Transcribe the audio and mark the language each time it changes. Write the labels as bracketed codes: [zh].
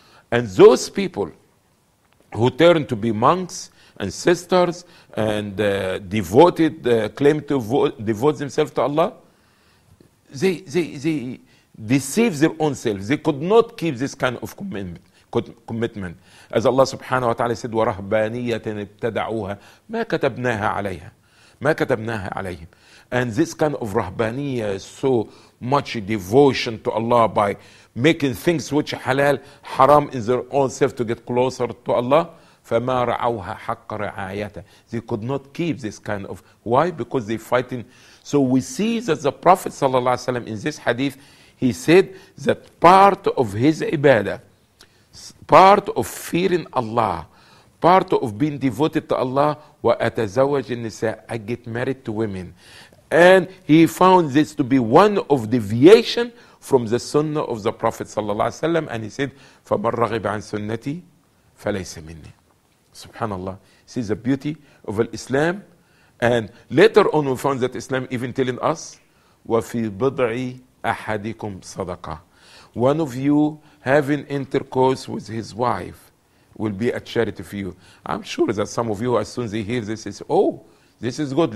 [en] And those people who turn to be monks and sisters and devote themselves to Allah, they deceive their own selves. They could not keep this kind of commitment. As Allah subhanahu wa ta'ala said, [ar] وَرَهْبَانِيَّةٍ ابْتَدَعُوهَا مَا كَتَبْنَاهَا عَلَيْهَا مَا كَتَبْنَاهَا عَلَيْهِمْ. [en] And this kind of rahbaniyah, so much devotion to Allah by making things which halal, haram in their own self to get closer to Allah, [ar] فَمَا رَعَوْهَا حَقَّ رَعَايَتَ. [en] They could not keep this kind of, why? Because they're fighting. So we see that the Prophet صلى الله عليه وسلم in this hadith, he said that part of his ibadah, part of fearing Allah, part of being devoted to Allah, [ar] وأتزوج النساء, [en] I get married to women. And he found this to be one of deviation from the sunnah of the Prophet صلى الله عليه وسلم. And he said, [ar] فَمَنْ رَغِبَ عَنْ سُنَّتِي فَلَيْسَ مِنِّي. [en] Subhanallah. See the beauty of Islam. And later on we found that Islam even telling us, [ar] وَفِي بِضْعِي أَحَدِكُمْ صَدَقَةً. [en] One of you having intercourse with his wife will be a charity for you. I'm sure that some of you, as soon as they hear this, they say, oh, this is good.